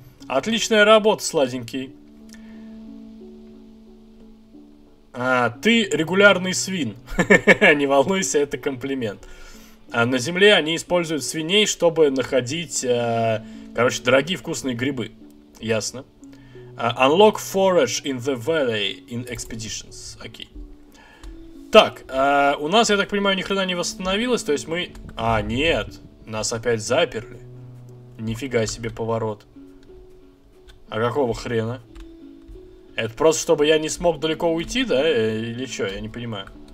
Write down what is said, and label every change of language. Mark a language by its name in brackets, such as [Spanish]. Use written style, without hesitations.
[Russian] Отличная работа, сладенький. Ты регулярный свин. Не волнуйся, это комплимент. На земле они используют свиней, чтобы находить, короче, дорогие вкусные грибы. Ясно. [English] Unlock forage in the valley in expeditions. [Russian] Окей. Так, у нас, я так понимаю, ни хрена не восстановилось. То есть мы... А, нет. Нас опять заперли. Нифига себе поворот. А какого хрена? Это просто, чтобы я не смог далеко уйти, да? Или что? Я не понимаю.